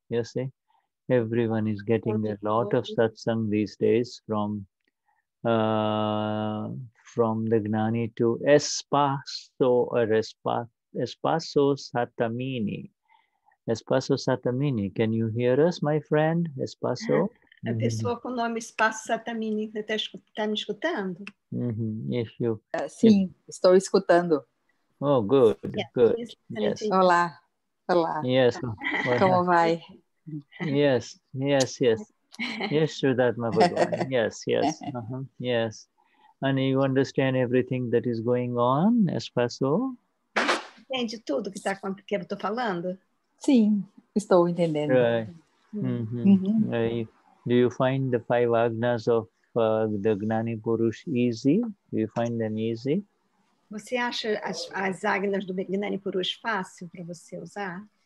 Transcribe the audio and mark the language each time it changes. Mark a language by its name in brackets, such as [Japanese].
[English] You see, everyone is getting a lot of satsang these days from the Gnani to Espasso Satamini. Espasso Satamini, can you hear us, my friend? Espasso? [Portuguese] A pessoa com o nome Espasso Satamini está me escutando? [English] If you, [Portuguese] sim, estou escutando. [English] Oh, good, yeah. Good. Yes. [Portuguese] Olá. [English] Yes. [Portuguese] Como vai? [English] Yes. Yes, Shuddhatma Bhagavan. Yes. Uh-huh. Yes. And you understand everything that is going on, Espasso? [Portuguese] Entende tudo que eu tô falando? Sim, estou entendendo. [English] Do you find the five agnas of the Gnani Purush easy? Do you find them easy? [Portuguese] Você acha as agnas do Gnani Purush fácil para você usar?